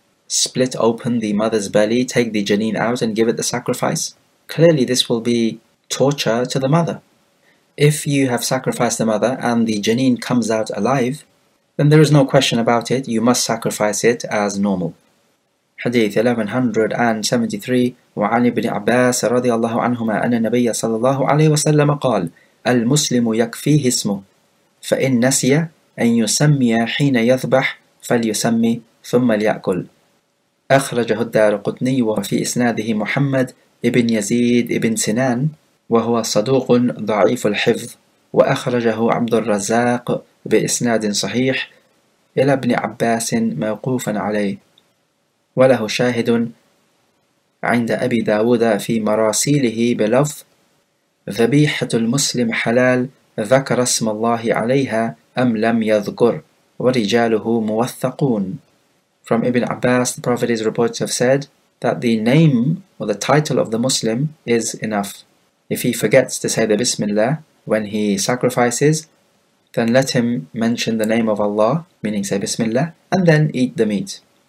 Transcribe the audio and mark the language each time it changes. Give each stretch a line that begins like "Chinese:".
English: Split open the mother's belly, take the janin out and give it the sacrifice? Clearly, this will be torture to the mother. If you have sacrificed the mother and the janin comes out alive, then there is no question about it, you must sacrifice it as normal. Hadith 1173.
Arabic: وعن ابن عباس رضي الله عنهما أن النبي صلى الله عليه وسلم قال المسلم يكفيه اسمه فإن نسي أن يسمي حين يذبح فليسمي ثم ليأكل. أخرجه الدارقطني وفي إسناده محمد ابن يزيد ابن سنان وهو صدوق ضعيف الحفظ، وأخرجه عبد الرزاق بإسناد صحيح إلى ابن عباس موقوفا عليه، وله شاهد عند أبي داود في مراسيله بلفظ ذبيحة المسلم حلال ذكر اسم الله عليها أم لم يذكر ورجاله موثقون.
English: From Ibn Abbas, the Prophet is reported to have said that the name or the title of the Muslim is enough. If he forgets to say the Bismillah when he sacrifices, then let him mention the name of Allah, meaning say Bismillah, and then eat the meat.